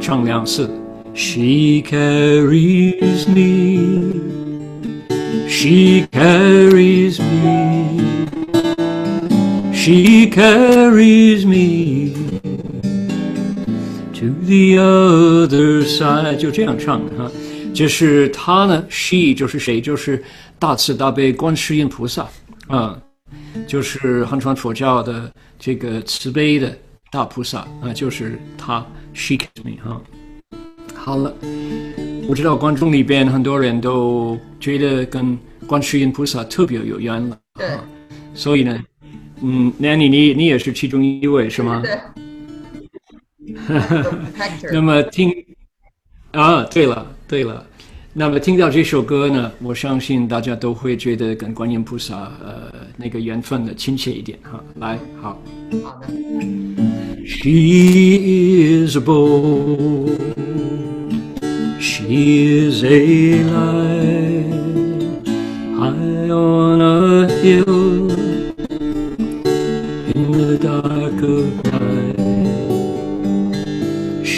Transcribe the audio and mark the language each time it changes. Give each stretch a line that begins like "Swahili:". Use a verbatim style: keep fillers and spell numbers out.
Chinese: 唱两次
English: She carries me, she carries me, she carries me. To the other side，
Chinese: 就这样唱的哈。就是他呢 ，she 就是谁？就是大慈大悲观世音菩萨啊、嗯，就是汉传佛教的这个慈悲的大菩萨啊、呃，就是他 she 哈。好了，我知道观众里边很多人都觉得跟观世音菩萨特别有缘了，对、啊，所以呢，嗯，那你你你也是其中一位是吗？对。那么听啊，对了对了，那么听到这首歌呢，我相信大家都会觉得跟观音菩萨呃那个缘分的亲切一点哈。来，好。好的。
English: She is a bow, she is a light high on a hill in the dark of night.